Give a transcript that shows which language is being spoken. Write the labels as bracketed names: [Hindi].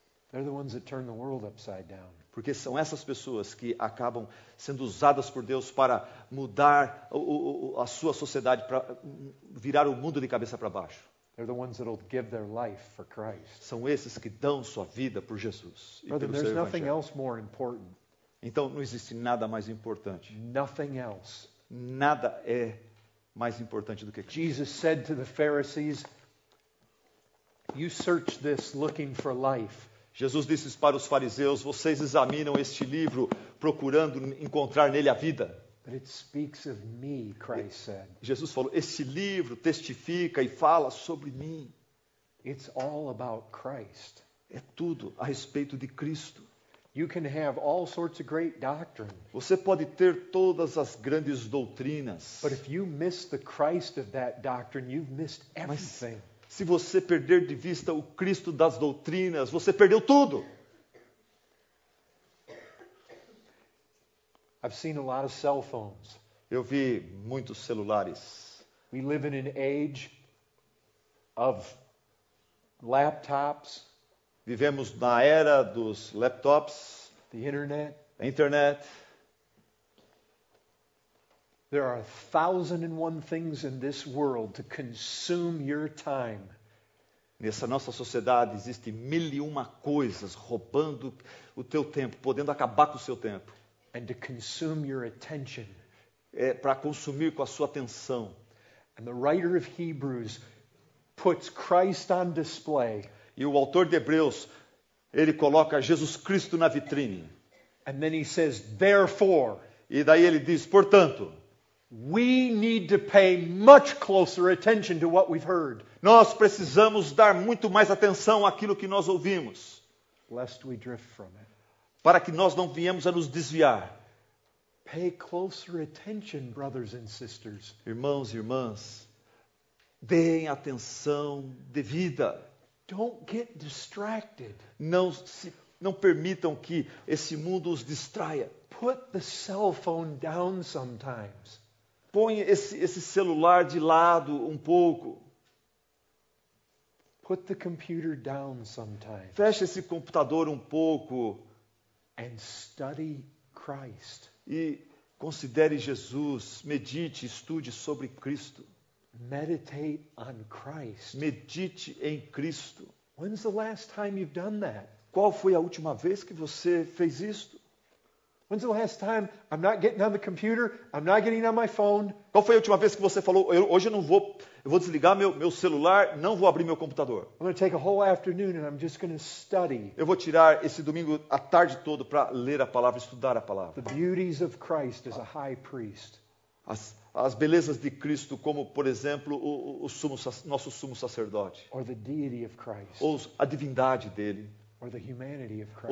[English] They're the ones that turn the world upside down. [Portuguese] Porque são essas pessoas que acabam sendo usadas por Deus para mudar a sua sociedade, para virar o mundo de cabeça para baixo. [English] They're the ones that'll give their life for Christ. [Portuguese] São esses que dão sua vida por Jesus e pelo seu evangelho. [English] There's nothing else more important. [Portuguese] Então não existe nada mais importante. [English] Nothing else. [Portuguese] Nada é mais importante do que Cristo. [English] Jesus said to the Pharisees, "You search this looking for life." [Portuguese] Jesus disse para os fariseus, vocês examinam este livro procurando encontrar nele a vida. [English] But it speaks of me, Christ said. [Portuguese] Jesus falou, este livro testifica e fala sobre mim. [English] It's all about Christ. [Portuguese] É tudo a respeito de Cristo. [English] You can have all sorts of great doctrine. [Portuguese] Você pode ter todas as grandes doutrinas. [English] But if you miss the Christ of that doctrine, you've missed everything. [Portuguese] Se você perder de vista o Cristo das doutrinas, você perdeu tudo. [English] I've seen a lot of cell phones. [Portuguese] Eu vi muitos celulares. [English] We live in an age of laptops. [Portuguese] Vivemos na era dos laptops. [English] The internet. [Portuguese] A internet. [English] There are 1,001 things in this world to consume your time. [Portuguese] Nessa nossa sociedade existem 1,001 coisas roubando o teu tempo, podendo acabar com o seu tempo. [English] And to consume your attention. [Portuguese] É para consumir com a sua atenção. [English] And the writer of Hebrews puts Christ on display. [Portuguese] E o autor de Hebreus, ele coloca Jesus Cristo na vitrine. [English] And then he says, therefore. [Portuguese] E daí ele diz, portanto. [English] We need to pay much closer attention to what we've heard. [Portuguese] Nós precisamos dar muito mais atenção àquilo que nós ouvimos. [English] Lest we drift from it. [Portuguese] Para que nós não viemos a nos desviar. [English] Pay closer attention, brothers and sisters. [Portuguese] Irmãos e irmãs, deem atenção devida. [English] Don't get distracted. [Portuguese] Não permitam que esse mundo os distraia. [English] Put the cell phone down sometimes. [Portuguese] Põe esse celular de lado um pouco. [English] Put the computer down sometimes. [Portuguese] Feche esse computador um pouco. [English] And study Christ. [Portuguese] E considere Jesus. Medite, estude sobre Cristo. [English] Meditate on Christ. [Portuguese] Medite em Cristo. [English] When's the last time you've done that? [Portuguese] Qual foi a última vez que você fez isto? [English] When's the last time I'm not getting on the computer, I'm not getting on my phone? [Portuguese] Qual foi a última vez que você falou, hoje eu vou desligar meu celular, não vou abrir meu computador? [English] I'm going to take a whole afternoon and I'm just going to study. [Portuguese] Eu vou tirar esse domingo a tarde toda para ler a palavra, estudar a palavra. [English] The beauties of Christ as a high priest. [Portuguese] As belezas de Cristo como, por exemplo, nosso sumo sacerdote. [English] Or the deity of Christ. [Portuguese] Ou a divindade dele. [English] Or the humanity of Christ.